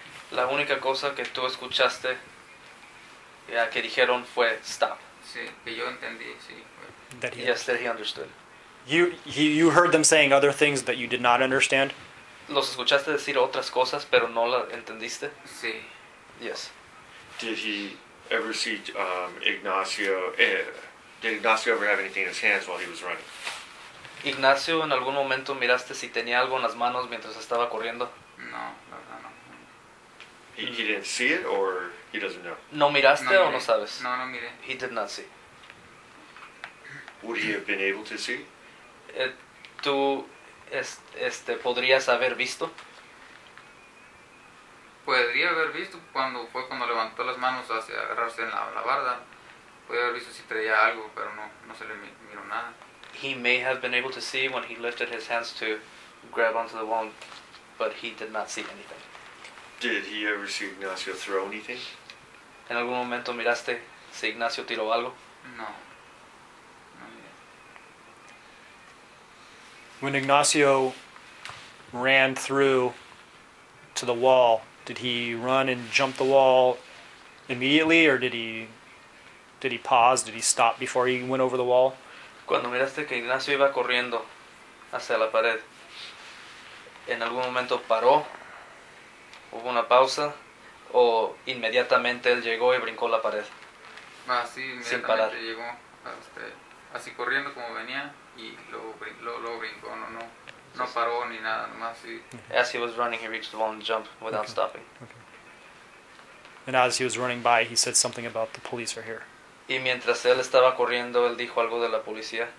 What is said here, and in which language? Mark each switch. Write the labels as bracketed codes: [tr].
[es] La única cosa que tú escuchaste que dijeron fue stop. Sí, que yo entendí, sí. [en] That he understood. You heard them saying other things that you did not understand? [es] ¿Los escuchaste decir otras cosas, pero no las entendiste? Sí. [en] Yes. Did he ever see Ignacio... did Ignacio ever have anything in his hands while he was running? [es] ¿Ignacio, en algún momento miraste si tenía algo en las manos mientras estaba corriendo? No, la verdad no. [en] He didn't see it, or he doesn't know? [es] ¿No miraste no, o no sabes? No miré. [en] He did not see. Would he have been able to see? [es] Tú... ¿podrías haber visto? Podría haber visto cuando levantó las manos hacia agarrarse en la barda. Podría haber visto si traía algo, pero no se le miró nada. [en] He may have been able to see when he lifted his hands to grab onto the wall, but he did not see anything. Did he ever see Ignacio throw anything? ¿En algún momento miraste si Ignacio tiró algo? No. When Ignacio ran through to the wall, did he run and jump the wall immediately, or did he pause? Did he stop before he went over the wall? [es] Cuando miraste que Ignacio iba corriendo hacia la pared, ¿en algún momento paró? ¿Hubo una pausa? ¿O inmediatamente él llegó y brincó la pared? Ah, sí, inmediatamente sin parar. Llegó así corriendo como venía y luego brincó, no paró ni nada, nomás sí. [en] As he was running, he reached the wall and jumped without stopping. Okay. And as he was running by, he said something about the police are here. [es] Y mientras él estaba corriendo, él dijo algo de la policía.